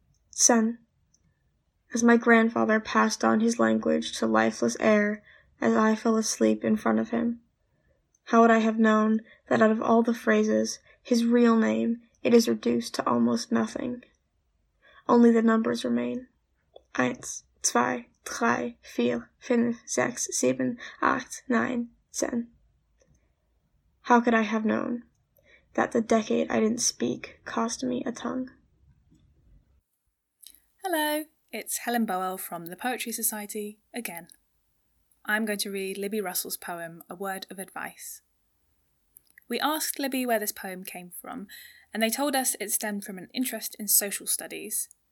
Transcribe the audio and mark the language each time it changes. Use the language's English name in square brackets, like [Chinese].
[English] Son, as my grandfather passed on his language to lifeless air as I fell asleep in front of him, how would I have known that out of all the phrases, his real name, it is reduced to almost nothing? Only the numbers remain. [German] Eins, zwei, drei, vier, fünf, sechs, sieben, acht, nein, zehn. [English] How could I have known that the decade I didn't speak cost me a tongue? Hello, it's Helen Bowell from the Poetry Society again. I'm going to read Libby Russell's poem, A Word of Advice. We asked Libby where this poem came from, and they told us it stemmed from an interest in social studies.